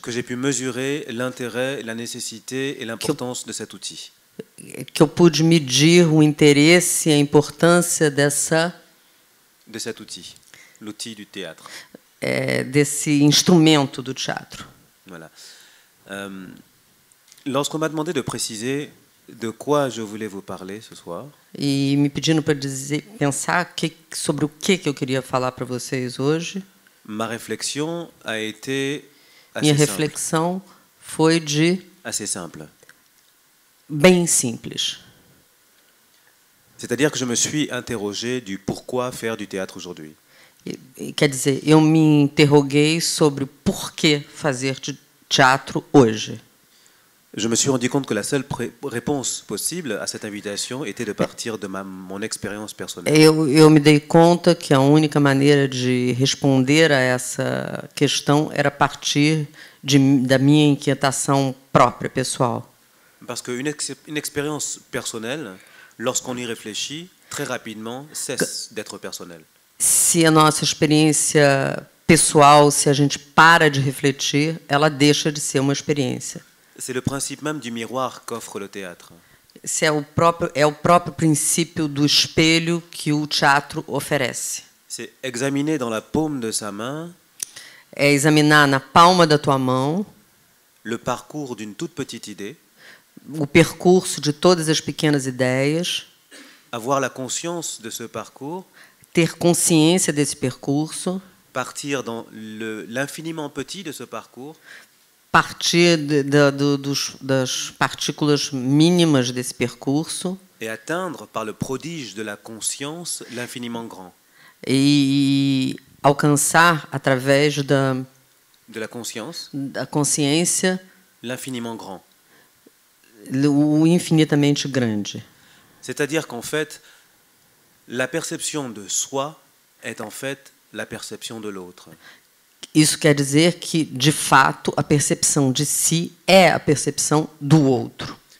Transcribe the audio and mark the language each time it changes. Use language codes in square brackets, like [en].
[fr] que j'ai pu mesurer l'intérêt, la nécessité et l'importance de cet outil. [pt] Que eu pude medir o interesse e a importância dessa [fr] de cet outil, l'outil du théâtre. [pt] Desse instrumento do teatro. [fr] Voilà. Lorsqu'on m'a demandé de préciser de quoi je voulais vous parler ce soir. [pt] E me pedindo para dizer, pensar que, sobre o que eu queria falar para vocês hoje. [fr] Ma réflexion a été assez [pt] minha reflexão [fr] simple. [pt] Foi de [fr] assez simple. [pt] Bem simples. [fr] C'est-à-dire que je me suis interrogé du pourquoi faire du théâtre aujourd'hui. [pt] Quer dizer, eu me interroguei sobre por que fazer teatro hoje. [fr] Je me suis rendu compte que la seule réponse possible à cette invitation était de partir de mon expérience personnelle. [pt] Eu me dei conta que a única maneira de responder a essa questão era partir da minha inquietação própria, pessoal. [fr] Parce que une expérience personnelle, lorsqu'on y réfléchit, très rapidement cesse d'être personnelle. [pt] Se a nossa experiência pessoal, se a gente para de refletir, ela deixa de ser uma experiência. [fr] C'est le principe même du miroir qu'offre le théâtre. [pt] É o próprio princípio do espelho que o teatro oferece. [fr] C'est examiner dans la paume de sa main. [pt] É examinar na palma da tua mão. [fr] Le parcours d'une toute petite idée. [pt] o percurso de todas as pequenas ideias. [fr] Avoir la conscience de ce parcours. [pt] Ter consciência desse percurso. [fr] Partir dans l'infiniment petit de ce parcours. [pt] Partir das partículas mínimas desse percurso. [fr] Et atteindre par le prodige de la conscience l'infiniment grand. [pt] E alcançar através da [fr] de la conscience. [pt] Da consciência. [fr] L'infiniment grand. [pt] O infinitamente grande. [fr] C'est-à-dire qu'en fait, la perception de soi est en fait la perception de l'autre. [pt] Isso quer dizer que, de fato, a percepção de si é a percepção do outro.